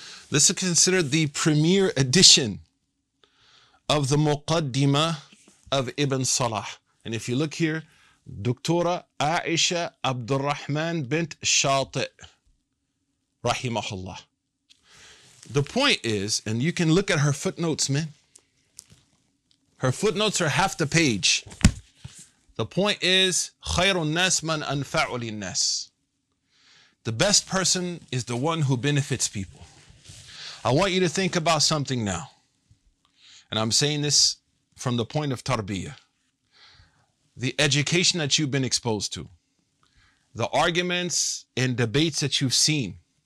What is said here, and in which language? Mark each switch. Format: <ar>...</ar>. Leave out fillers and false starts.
<en>This is considered the premier edition of the Muqaddima of Ibn Salah. And if you look here, Doctora Aisha Abdurrahman bint Shati' Rahimahullah. The point is, and you can look at her footnotes, man. Her footnotes are half the page. The point is,</en> <ar>خَيْرُ النَّاسِ مَنْ أَنْفَعُ لِلنَّاسِ.</ar> <en>The best person is the one who benefits people. I want you to think about something now. And I'm saying this from the point of tarbiyah. The education that you've been exposed to, the arguments and debates that you've seen.</en>